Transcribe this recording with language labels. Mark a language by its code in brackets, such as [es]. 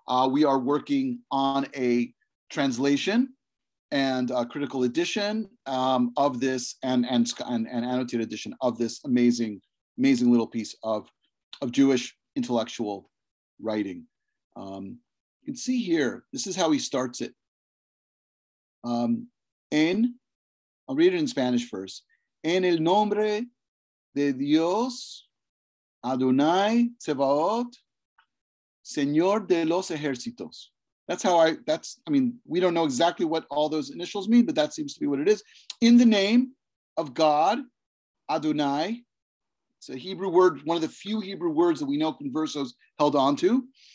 [en] We are working on a translation and a critical edition of this and annotated edition of this amazing, amazing little piece of Jewish intellectual writing. You can see here, this is how he starts it. I'll read it in Spanish first. [es] En el nombre de Dios, Adonai Tzevaot, Señor de los Ejércitos. [en] That's, we don't know exactly what all those initials mean, but that seems to be what it is. In the name of God, Adonai, it's a Hebrew word, one of the few Hebrew words that we know conversos held on to.